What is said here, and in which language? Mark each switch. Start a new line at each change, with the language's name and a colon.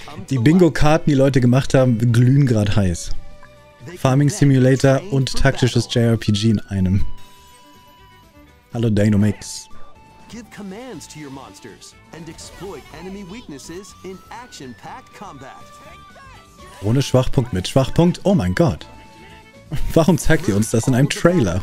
German: Die Bingo-Karten, die Leute gemacht haben, glühen gerade heiß. Farming Simulator und taktisches JRPG in einem. Hallo Dynamix.
English: Give commands to your monsters and exploit enemy weaknesses in action-packed combat.
German: Ohne Schwachpunkt mit Schwachpunkt? Oh mein Gott. Warum zeigt ihr uns das in einem Trailer?